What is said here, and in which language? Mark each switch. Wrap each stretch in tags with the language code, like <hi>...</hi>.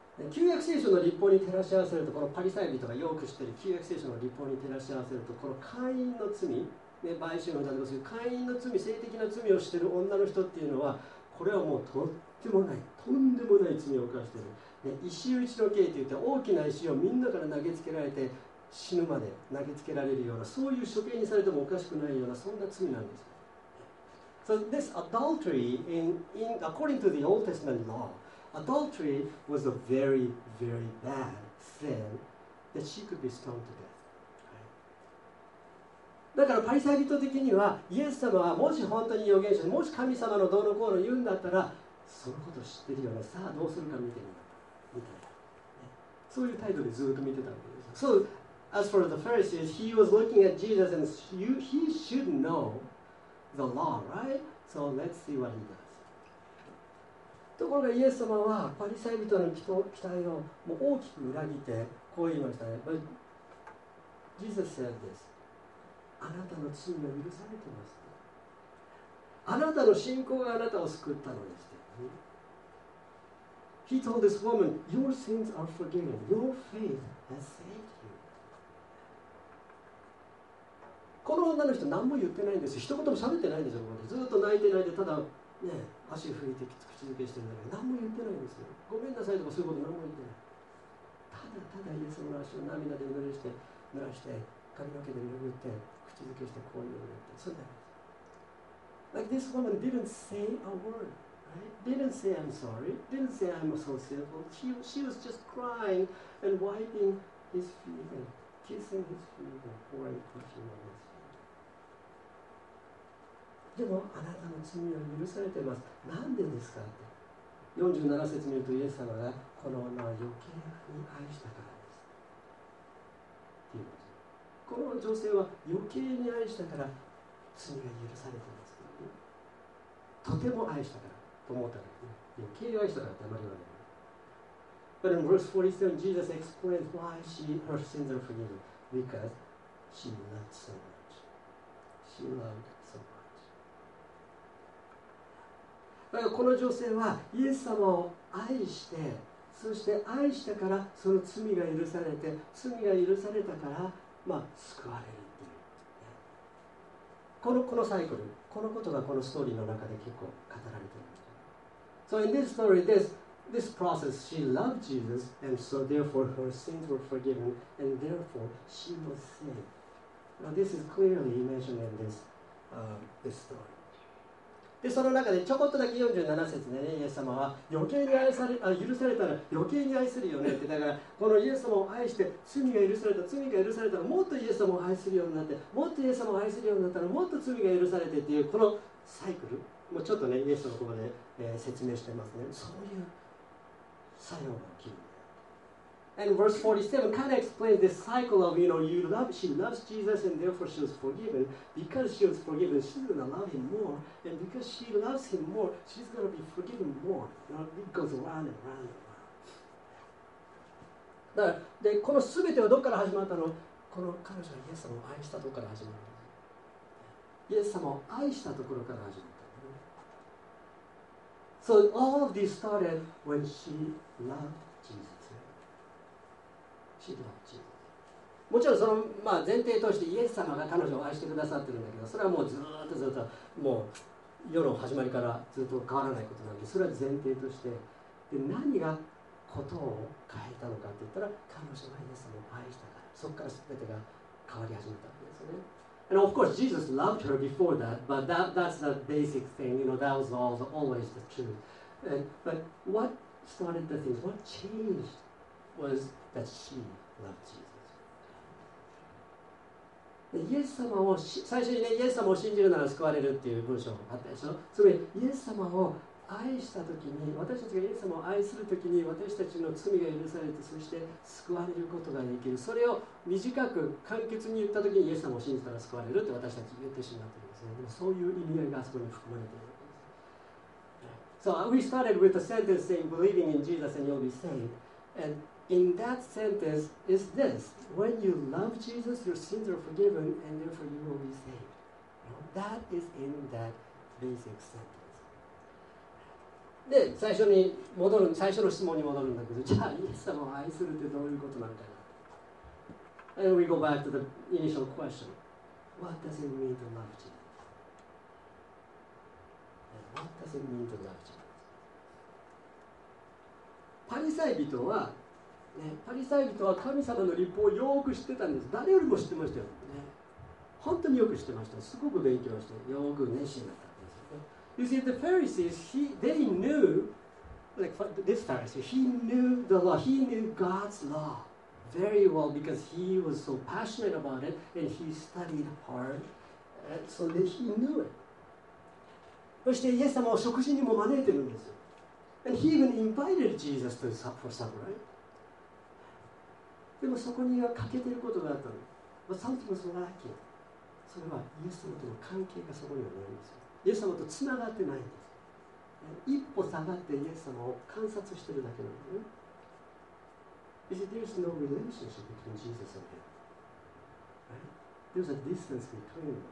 <ja>旧約聖書の立法に照らし合わせると、このパリサイ人がよく知っている旧約聖書の立法に照らし合わせると、この会員の罪、ね、売春を歌ってますけど、会員の罪、性的な罪をしている女の人っていうのは、これはもうとってもない、とんでもない罪を犯している。石打ちの刑といって大きな石をみんなから投げつけられて死ぬまで投げつけられるような、そういう処刑にされてもおかしくないような、そんな罪なんです。</ja> <en>So this adultery in according to the Old Testament law, adultery was a very very bad sin that she could be stoned to death.</en> <ja>だからパリサイ人的にはイエス様はもし本当に預言者、もし神様のどうのこうの言うんだったら、そのことを知ってるよね。さあどうするか見てみよう。そういう態度でずっと見てたわけです。</ja> <en>So, as for the Pharisees, he was looking at Jesus and he should know the law, right? So let's see what he does.</en> <ja>ところがイエス様はパリサイ人の期待をもう大きく裏切ってこう言いましたね。</ja> <en>But Jesus said this.</en> <ja>あなたの罪は許されてます。あなたの信仰があなたを救ったのです。</ja> <en>He told this woman, Your sins are forgiven. Your faith has saved you.</en> <ja>この女の人何も言ってないんですよ。一言も喋ってないんですよ。ずっと泣いて泣いて、ただね、足拭いて口づけしてるんだけど、何も言ってないんですよ。ごめんなさいとかそういうこと何も言ってない。ただただイエスの足を涙で濡らして、髪の毛で拭って、口づけして、こういうのをやって、そうだよ。</ja> <en>Like this woman didn't say a word. Didn't say I'm sorry. Didn't say I'm so sinful. She was just crying and wiping his feet and kissing his feet and pouring perfume on his feet.</en> <ja>でもあなたの罪は許されています、なんでですかって。 47節見るとイエス様がこの女を余計に愛したからです、って言うんです。この女性は余計に愛したから罪が許されています、とても愛したからと思ったから、余計に愛したからってあまり言わない。</ja> <en>But in verse 47, Jesus explains why she, her sins are forgiven. Because she loved so much. She loved so much.</en> <ja>だからこの女性はイエス様を愛して、そして愛したからその罪が許されて、罪が許されたから、まあ、救われるっていう、ね、このサイクル、このことがこのストーリーの中で結構語られている。</ja> <en>So in this story, this process, she loved Jesus, and so therefore her sins were forgiven, and therefore she was saved. Now this is clearly mentioned in this story.</en> <ja>で、その中でちょこっとだけ47節でね、イエス様は余計に愛され、あ、許されたら余計に愛するよねって、だからこのイエス様を愛して罪が許された、罪が許されたらもっとイエス様を愛するようになって、もっとイエス様を愛するようになったらもっと罪が許されてっていう、このサイクルもうちょっとね、イエスのここで、説明してますね。そういう作用が起きる。</ja> <en>And verse 47 kind of explains this cycle of, you know, you love, she loves Jesus and therefore she was forgiven. Because she was forgiven, she's going to love him more. And because she loves him more, she's going to be forgiven more. You know, it goes round and round and round.</en> <ja>だから、で、この全てはどこから始まったの？この彼女がイエス様を愛したところから始まったの。イエス様を愛したところから始まった。</ja> <en>So all of this started when she loved Jesus. She loved Jesus.</en> <ja>もちろんその、まあ、前提としてイエス様が彼女を愛してくださってるんだけど、それはもうずっとずっともう世の始まりからずっと変わらないことなんで、それは前提として、で何がことを変えたのかって言ったら、彼女がイエス様を愛したから、そこから全てが変わり始めたんですよね。</ja> <en>And of course, Jesus loved her before that, but that's the basic thing, you know, that was always the truth. And, but what started the thing, what changed was that she loved Jesus.</en> <ja>でイエス様を、最初にね、イエス様を信じるなら救われるっていう文章があったでしょ。つまり、イエス様を愛したときに、私たちがイエス様を愛するときに、私たちの罪が許されて、そして救われることができる。それを短く簡潔に言ったときに、イエス様を信じたら救われるって私たち言ってしまってるんですね。でもそういう意味合いがあそこに含まれているんです。</ja> <en>So we started with a sentence saying, believing in Jesus and you'll be saved. And in that sentence is this. When you love Jesus, your sins are forgiven and therefore you will be saved. That is in that basic sentence.</en> <ja>で、最初に戻る、最初の質問に戻るんだけど、じゃあイエス様を愛するってどういうことなんかな。</ja> <en>And we go back to the initial question. What does it mean to love Jesus? What does it mean to love Jesus?</en> <ja>パリサイ人は、ね、パリサイ人は神様の律法をよく知ってたんです。誰よりも知ってましたよ、ね。本当によく知ってました。すごく勉強して、よく熱心だった。</ja> <en>You see, the Pharisees, they knew, like this Pharisee, he knew the law, he knew God's law very well because he was so passionate about it and he studied hard, and so that he knew it.</en> <ja>そしてイエス様を食事にも招いてるんですよ。</ja> <en>And he even invited Jesus to supper, for supper, right?</en> <ja>でもそこには欠けてることがあったの。</ja> <en>But something was lacking.</en> <ja>それはイエス様との関係がそこにはないんですよ。イエス様とつながってないんです。一歩下がってイエス様を観察してるだけなのね。</ja> <en>There's no relationship between Jesus and him. There's a distance between them.</en>